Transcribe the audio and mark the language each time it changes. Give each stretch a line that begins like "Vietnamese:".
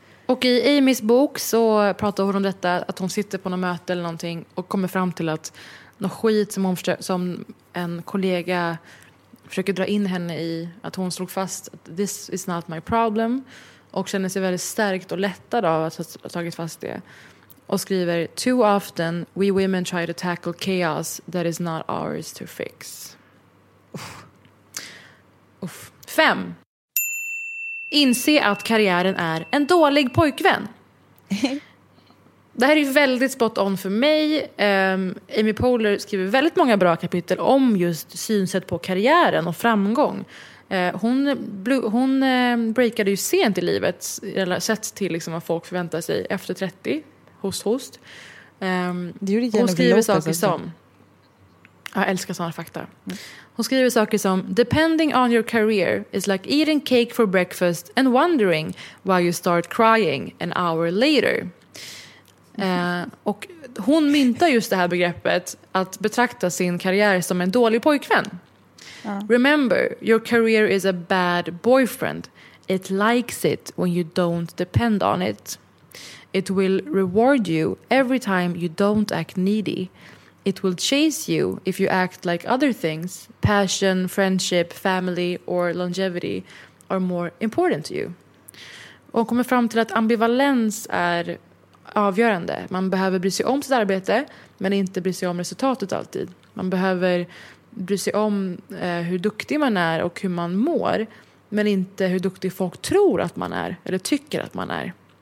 Swedish: Och i Amys bok så pratar hon om detta, att hon sitter på något möte eller någonting och kommer fram till att något skit som en kollega försöker dra in henne i, att hon slog fast att
English: this is not my problem
Swedish: och känner sig väldigt stärkt och lättad av att ha tagit fast det. Och skriver,
English: too often we women try to tackle chaos that is not ours to fix.
Swedish: Uff. 5. Inse att karriären är en dålig pojkvän. Det här är väldigt spot on för mig. Amy Poehler skriver väldigt många bra kapitel om just synsätt på karriären och framgång. Hon breakade ju sent i livet, sett till liksom vad folk förväntar sig efter 30, host. Hon skriver saker som... Jag älskar sådana fakta. Hon skriver saker som:
English: depending on your career is like eating cake for breakfast and wondering why you start crying an hour later.
Swedish: Och hon myntar just det här begreppet att betrakta sin karriär som en dålig pojkvän.
English: Remember, your career is a bad boyfriend. It likes it when you don't depend on it. It will reward you every time you don't act needy. It will chase you if you act like other things. Passion, friendship, family or longevity are more important to you.
Swedish: Och kommer fram till att ambivalens är avgörande. Man behöver bry sig om sitt arbete, men inte bry sig om resultatet alltid. Man behöver bry sig om hur duktig man är och hur man mår, men inte hur duktig folk tror att man är eller tycker att man är.